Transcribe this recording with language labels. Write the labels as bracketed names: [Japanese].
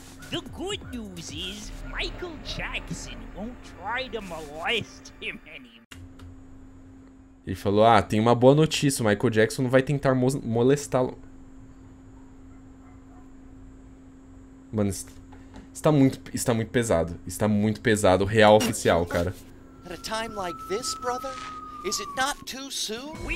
[English] The good news is Michael Jackson won't try to molest him anymore. [Portuguese] Ele falou, ah, tem uma boa notícia, Michael Jackson não vai tentar molestá-lo. Mano, está muito pesado. Está muito pesado, real oficial, cara. [English] At a time like this, brother, is it not too soon?